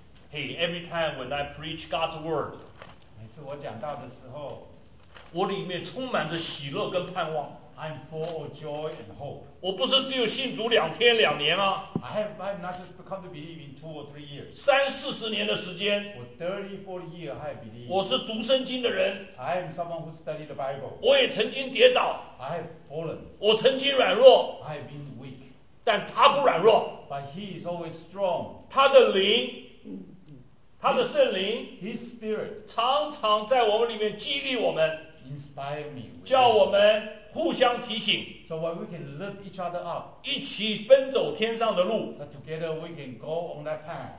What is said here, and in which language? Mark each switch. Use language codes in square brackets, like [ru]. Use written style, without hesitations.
[en] Hey, every time when I preach God's word, [zh] 每次我讲到的时候，我里面充满着喜乐跟盼望。 [en] I'm full of joy and hope. [zh] 我不是只有信主两天两年啊。 [en] I have not just come to believe in two or three years. [zh] 三四十年的时间。 [en] For 30-40 years, I have believed. [zh] 我是读圣经的人。 [en] I am someone who studied the Bible. [zh] 我也曾经跌倒。 [en] I have fallen. [zh] 我曾经软弱。 [en] I have been weak. [zh] 但他不软弱。 [en] But he is always strong. [zh] 他的灵。他的圣灵 [en] His spirit, [zh] 常常在我们里面激励我们 [en] inspire me, [zh] 叫我们互相提醒 [en] so that we can lift each other up, [zh] 一起奔走天上的路 [en] that together we can go on that path,